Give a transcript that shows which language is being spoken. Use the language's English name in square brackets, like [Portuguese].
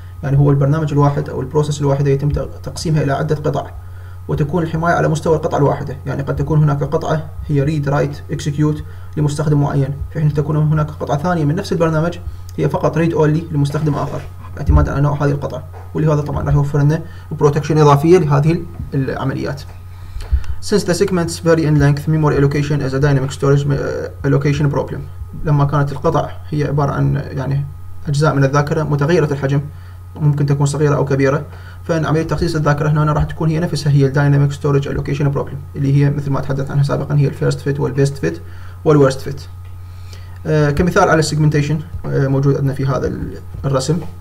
[Arabic] يعني هو البرنامج الواحد او البروسيس الواحده يتم تقسيمها الى عده قطع وتكون الحمايه على مستوى القطعه الواحده. يعني قد تكون هناك قطعه هي ريد رايت اكسكيوت لمستخدم معين، في حين تكون هناك قطعه ثانيه من نفس البرنامج هي فقط ريد اونلي لمستخدم اخر اعتمادا على نوع هذه القطعه، ولهذا طبعا راح يوفر لنا بروتكشن اضافيه لهذه العمليات. [English] Since the segments vary in length, memory allocation is a dynamic storage allocation problem. [Arabic] لما كانت القطع هي عباره عن يعني اجزاء من الذاكره متغيره الحجم ممكن تكون صغيره او كبيره، فان عمليه تخصيص الذاكره هنا راح تكون هي نفسها هي الدايناميك ستورج الوكيشن بروبلم اللي هي مثل ما تحدثت عنها سابقا هي الفيرست فيت والبيست فيت والورست فيت. كمثال على السيجمنتيشن موجود عندنا في هذا الرسم.